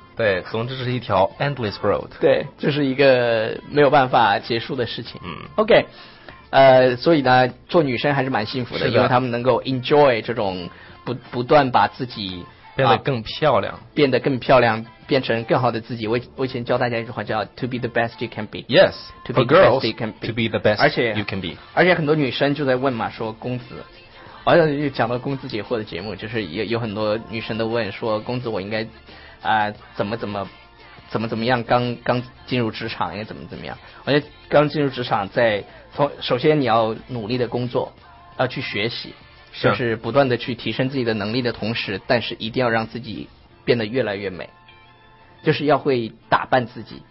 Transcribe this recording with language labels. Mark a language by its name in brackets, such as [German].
[Chinese] 对，总之是一条 [English] endless road。 [Chinese] 对，这是一个没有办法结束的事情。嗯， OK， 所以呢做女生还是蛮幸福的，因为她们能够 enjoy 这种不断把自己变得更漂亮、变得更漂亮，变成更好的自己。我以前教大家一句话叫 [English] to be the best you can be。 Yes， to be for girls best you can be. to be the best you can be。 [Chinese] 而且很多女生就在问嘛，说公子，好像就讲到公子解惑的节目，就是有很多女生都问说，公子我应该怎么样刚进入职场应该怎么样。而且刚进入职场，在首先你要努力的工作，要去学习，就是不断的去提升自己的能力的同时，但是一定要让自己变得越来越美，就是要会打扮自己。